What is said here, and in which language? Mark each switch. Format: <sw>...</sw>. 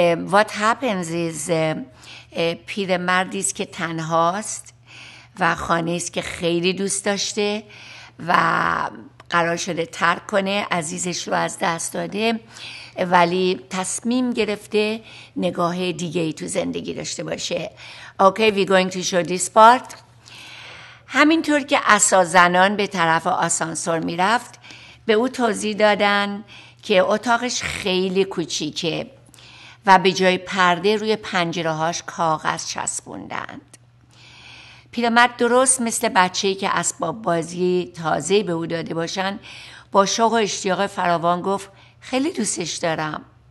<en>What happens is</en> <fa>پیرمردی است که تنهاست و خانه است که خیلی دوست داشته و قرار شده ترک کنه، عزیزش رو از دست داده، ولی تصمیم گرفته نگاه دیگه ای تو زندگی داشته باشه.</fa> <en>Okay, we're going to show this part.</en> <fa>همینطور که عصا زنان به طرف آسانسور می رفت به او توضیح دادن که اتاقش خیلی کوچیکه و به جای پرده روی پنجره‌هاش کاغذ چسبوندند. پیرمرد درست مثل بچه‌ای که اسباب بازی تازه به او داده باشن با شوق و اشتیاق فراوان گفت خیلی دوستش دارم.</fa>